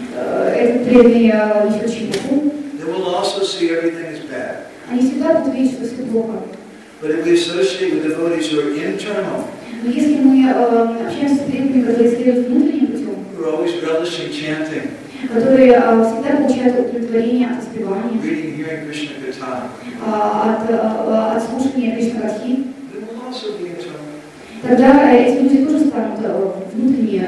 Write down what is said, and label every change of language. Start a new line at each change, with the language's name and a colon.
Russian: этот преданный очень чепуху,
English: they will also see everything as bad.
Russian: Они всегда будут видеть, что все плохо.
English: But if we associate with devotees who are internal,
Russian: но если мы общаемся с преданными, которые следуют внутренним путем,
English: who are always relishing chanting,
Russian: которые всегда получают удовлетворение от воспевания,
English: reading, hearing Krishna katha,
Russian: от слушания Кришна катхи,
English: they will also be internal.
Russian: Тогда эти люди тоже станут внутренние